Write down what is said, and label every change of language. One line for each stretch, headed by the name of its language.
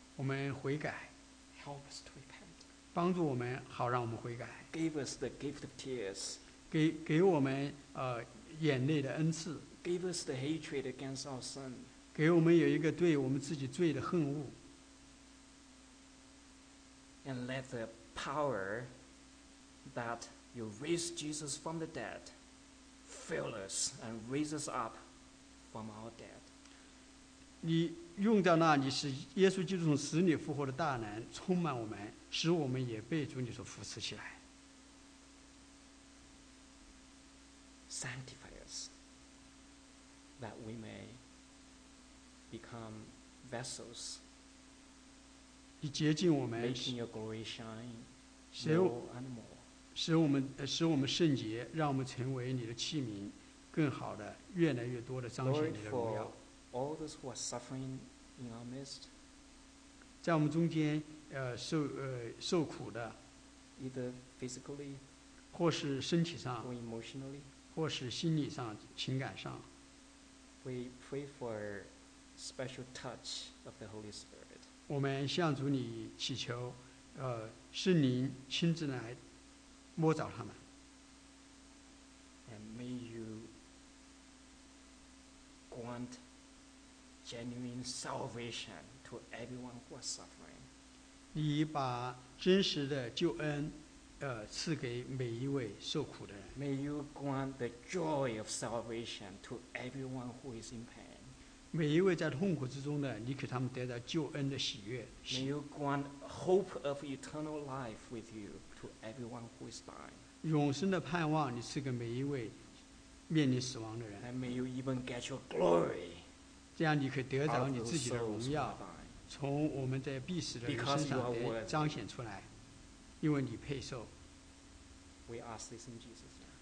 Chinese: 我们悔改。
English: Help us to repent.
Chinese: 帮助我们，好让我们悔改。
English: Give us the gift of tears.
Chinese: 给我们眼泪的恩赐。
English: Give us the hatred against our sin.
Chinese: 给我们有一个对我们自己罪的恨恶。
English: And let the power that you raise Jesus from the dead fill us and raise us up from our dead
Chinese: 你用到那里是耶稣基督从死里复活的大能充满我们使我们也被主你所扶持起来
English: sanctify us that we may become vessels
Chinese: 你洁净我们
English: making your glory shine
Chinese: 使我们圣洁，让我们成为你的器皿，更好的、越来越多的彰显你的荣耀。
English: All those who are suffering in our midst,
Chinese: 在我们中间，受苦的
English: ，either physically,
Chinese: 或是身体上
English: ，or emotionally,
Chinese: 或是心理上、情感上
English: ，we pray for special touch of the Holy Spirit.
Chinese: 我们向主你祈求，是您亲自来摸着他们。
English: And may you grant genuine salvation to everyone who is suffering.
Chinese: 你把真实的救恩，赐给每一位受苦的人。
English: May you grant the joy of salvation to everyone who is in pain.
Chinese: 每一位在痛苦之中的，你给他们带来救恩的喜悦。
English: May you grant hope of eternal life with you to everyone who is dying.
Chinese: 永生的盼望，你赐给每一位面临死亡的人。
English: And may you even get your glory.
Chinese: 这样你可以得着你自己的荣耀，从我们在必死的人身上得彰显出来，因为你配受。
English: We ask this in Jesus' name.